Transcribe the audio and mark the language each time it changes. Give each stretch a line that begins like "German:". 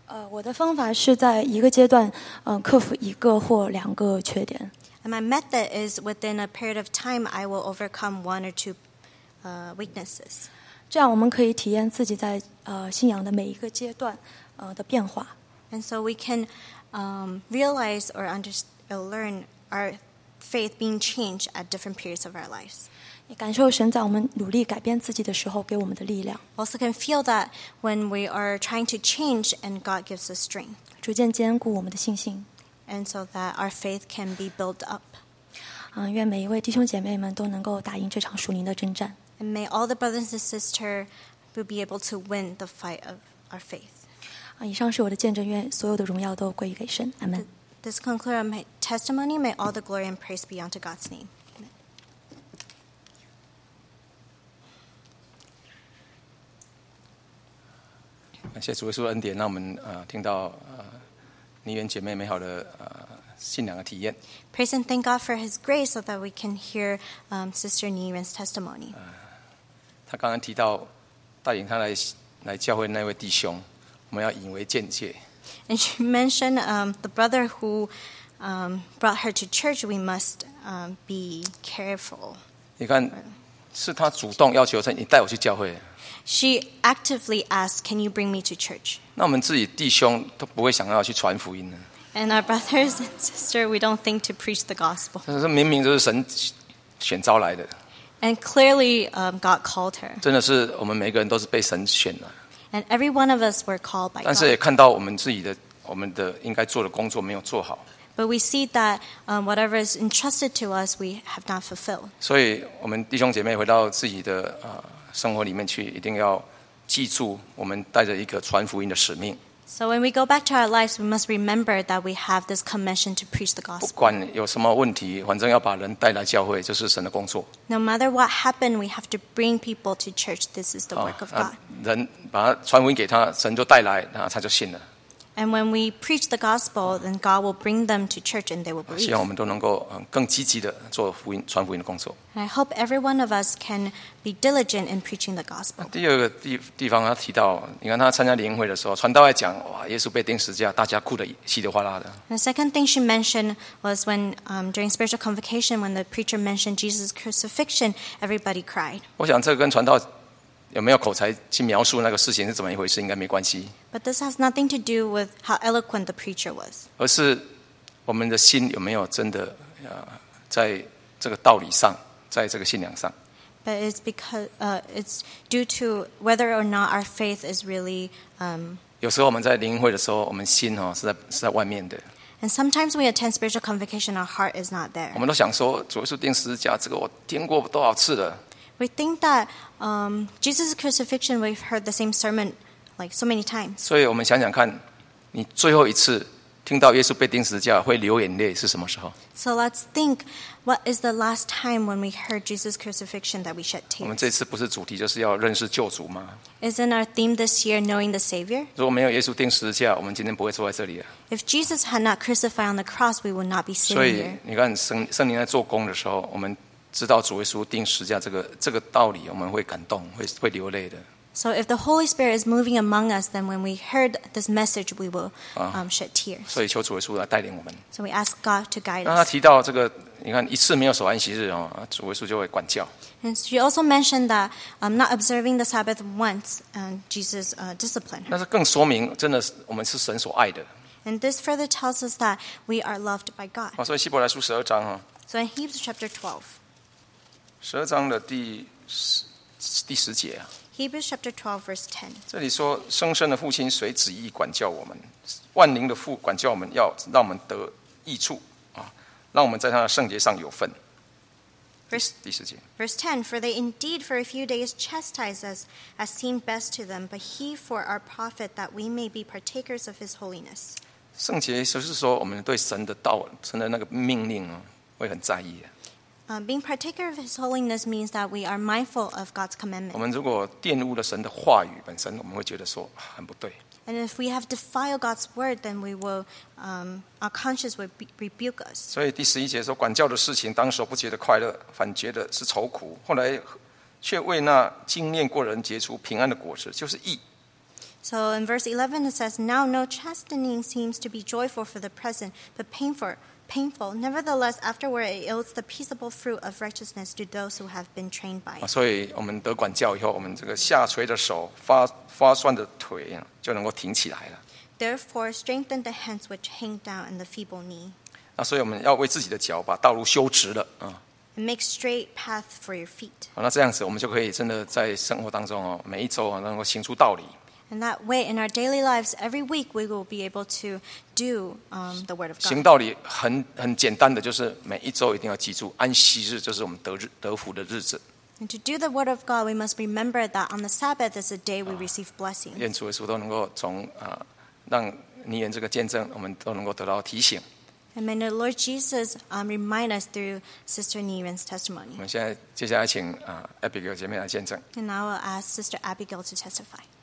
Chinese: 我的方法是在一个阶段克服一个或两个缺点。
English: And my method is within a period of time I will overcome one or two weaknesses.
Chinese: 这样我们可以体验自己在信仰的每一个阶段的变化。
English: And so we can realize or learn our faith being changed at different periods of our lives.
Chinese: 也感受神在我们努力改变自己的时候给我们的力量。
English: Also can feel that when we are trying to change and God gives us strength.
Chinese: 逐渐坚固我们的信心。
English: And so that our faith can be built up.
Chinese: 愿每一位弟兄姐妹们都能够打赢这场属灵的征战。
English: And may all the brothers and sisters be able to win the fight of our faith.
Chinese: 以上是我的见证，愿所有的荣耀都归于给神。
English: Amen. This concludes my testimony. May all the glory and praise be unto God's name. Amen. Thank you,
Chinese: 主耶稣恩典，让我们听到妮媛姐妹美好的信仰的体验。
English: Praise and thank God for His grace, so that we can hear Sister Nguyen's testimony.
Chinese: 他刚刚提到带领他来来教会那位弟兄，我们要引为鉴戒。
English: And she mentioned the brother who brought her to church. We must be careful.
Chinese: 你看，是他主动要求说：“你带我去教会。”
English: She actively asked, "Can you bring me to church?"
Chinese: 那我们自己弟兄都不会想要去传福音呢。
English: And our brothers and sisters, we don't think to preach the gospel.
Chinese: 但是明明就是神选召来的。
English: And clearly, God called her.
Chinese: 真的是我们每个人都是被神选的。
English: And every one of us were called by God.
Chinese: 但是也看到我们自己的我们的应该做的工作没有做好。
English: But we see that whatever is entrusted to us, we have not fulfilled.
Chinese: 所以我们弟兄姐妹回到自己的生活里面去，一定要记住我们带着一个传福音的使命。
English: So when we go back to our lives, we must remember that we have this commission to preach the gospel.
Chinese: 不管有什么问题，反正要把人带来教会，就是神的工作。
English: No matter what happened, we have to bring people to church. This is the work of God.
Chinese: 人把他传福音给他，神就带来，然后他就信了。
English: And when we preach the gospel, then God will bring them to church and they will believe.
Chinese: 希望我们都能够更积极的做福音传福音的工作。
English: And I hope every one of us can be diligent in preaching the gospel.
Chinese: 第二个地方，他提到，你看他参加灵会的时候，传道在讲，哇，耶稣被钉十字架，大家哭得稀里哗啦的。
English: The second thing she mentioned was when during spiritual convocation, when the preacher mentioned Jesus' crucifixion, everybody cried.
Chinese: 我想这个跟传道有没有口才去描述那个事情是怎么一回事，应该没关系。
English: But this has nothing to do with how eloquent the preacher was.
Chinese: 而是我们的心有没有真的在这个道理上，在这个信仰上。
English: But it's because it's due to whether or not our faith is really
Chinese: 有时候我们在灵会的时候，我们心是在外面的。
English: And sometimes we attend spiritual convocation, our heart is not there.
Chinese: 我们都想说，主耶稣钉十字架，这个我听过多少次了。
English: We think that Jesus' crucifixion, we've heard the same sermon like so many times.
Chinese: 所以我们想想看，你最后一次听到耶稣被钉十字架会流眼泪是什么时候？
English: So let's think, what is the last time when we heard Jesus' crucifixion that we shed tears?
Chinese: 我们这次不是主题就是要认识救主吗？
English: Isn't our theme this year knowing the Savior?
Chinese: 如果没有耶稣钉十字架，我们今天不会坐在这里。
English: If Jesus had not crucified on the cross, we would not be sitting here.
Chinese: 所以你看圣灵在做工的时候，我们知道主耶稣钉十字架这个道理，我们会感动，会流泪的。
English: So if the Holy Spirit is moving among us, then when we heard this message, we will shed tears.
Chinese: 所以求主耶稣来带领我们。
English: So we ask God to guide us.
Chinese: 那他提到这个，你看一次没有守安息日哦，主耶稣就会管教。
English: And she also mentioned that not observing the Sabbath once, and Jesus disciplined her.
Chinese: 那是更说明，真的是我们是神所爱的。
English: And this further tells us that we are loved by God.
Chinese: 所以希伯来书十二章
English: So in Hebrews chapter 12.
Chinese: 十二章的第十节啊。
English: Hebrews chapter 12, verse 10.
Chinese: 这里说，生身的父亲随旨意管教我们，万灵的父管教我们，要让我们得益处啊，让我们在他的圣洁上有份。第十节。
English: Verse 10. For they indeed for a few days chastise us as seemed best to them, but he for our profit that we may be partakers of his holiness.
Chinese: 圣洁就是说，我们对神的道、神的那个命令会很在意。
English: Being partaker of His holiness means that we are mindful of God's commandment.
Chinese: 我们如果玷污了神的话语本身，我们会觉得说很不对。
English: And if we have defiled God's word, then we will, our conscience will rebuke us.
Chinese: 所以第十一节说，管教的事情，当时不觉得快乐，反觉得是愁苦，后来却为那经验过人结出平安的果实，就是义。
English: So in verse 11 it says, "Now no chastening seems to be joyful for the present, but painful." Painful. Nevertheless, afterward, it yields the peaceable fruit of righteousness to those who have been trained by it.
Chinese: 所以我们得管教以后，我们这个下垂的手、发酸的腿就能够挺起来了。
English: Therefore, strengthen the hands which hang down and the feeble knee.
Chinese: 那所以我们要为自己的脚把道路修直了
English: And make straight path for your feet.
Chinese: 那这样子，我们就可以真的在生活当中每一周能够行出道理。
English: And that way, in our daily lives, every week we will be able to do the word of God.
Chinese: 行道理很简单的，就是每一周一定要记住安息日，就是我们得福的日子。
English: And to do the word of God, we must remember that on the Sabbath is a day we receive blessings.
Chinese: 愿主耶稣都能够从让尼言这个见证，我们都能够得到提醒。
English: And may the Lord Jesus remind us through Sister Niren's testimony.
Chinese: 我们现在接下来请Abigail 姐妹来见证。
English: And I will ask Sister Abigail to testify.